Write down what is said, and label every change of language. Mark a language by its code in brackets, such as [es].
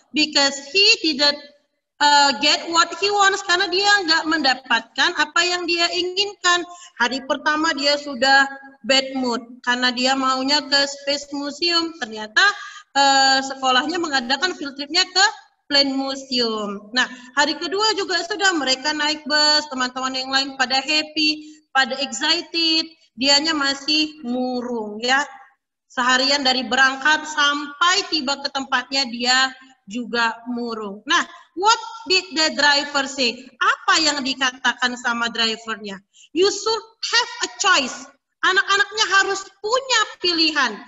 [en] Because he didn't get what he wants. [id] Karena dia nggak mendapatkan apa yang dia inginkan. Hari pertama dia sudah bad mood. Karena dia maunya ke Space Museum. Ternyata sekolahnya mengadakan field trip-nya ke Plane Museum. Nah, hari kedua juga sudah mereka naik bus. Teman-teman yang lain pada happy, pada excited. Dianya masih murung ya. Seharian dari berangkat sampai tiba ke tempatnya dia juga murung. [en] Nah, what did the driver say? [id] Apa yang dikatakan sama drivernya? [en] You should have a choice. [id] Anak-anaknya harus punya pilihan.